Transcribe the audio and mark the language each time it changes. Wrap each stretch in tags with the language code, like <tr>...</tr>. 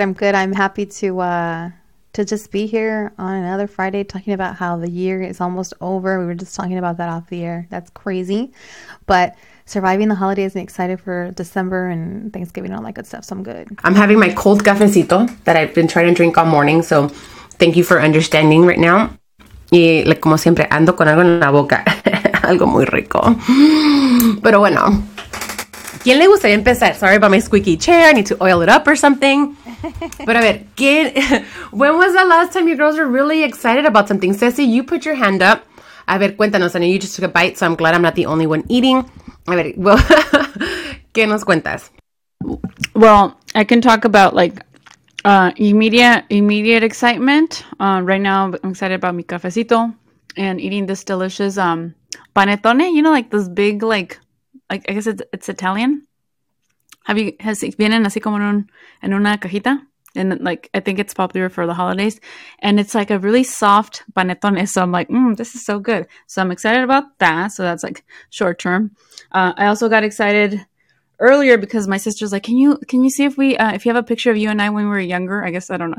<en>I'm happy to just be here on another Friday talking about how the year is almost over. We were just talking about that off the air. That's crazy. But surviving the holidays and excited for December and Thanksgiving and all that good stuff. So I'm good. I'm having my cold cafecito that I've been trying to drink all morning. So thank you for understanding right now.</en> <es>Y como siempre, ando con algo en la boca. Algo muy rico. Pero bueno. ¿Quién le gustaría empezar?</es> <en>Sorry about my squeaky chair. I need to oil it up or something. But</en> <es>a ver,</es> <en>when was the last time you girls were really excited about something? Ceci, you put your hand up.</en> <es>A ver, cuéntanos.</es> <en>I know you just took a bite, so I'm glad I'm not the only one eating.</en> <es>A ver,</es> <en>well,</en> <es>¿qué nos cuentas?</es> <en>Well, I can talk about like immediate excitement. Right now, I'm excited about</en> <es>mi cafecito</es> <en>and eating this delicious panettone. You know, like this big, like I guess it's Italian. Has it</en> <es>vienen así como en una cajita?</es> <en>And like, I think it's popular for the holidays. And it's like a really soft panettone. So I'm like, this is so good. So I'm excited about that. So that's like short term. I also got excited earlier because my sister's like, can you see if you have a picture of you and I when we were younger? I guess, I don't know.</en>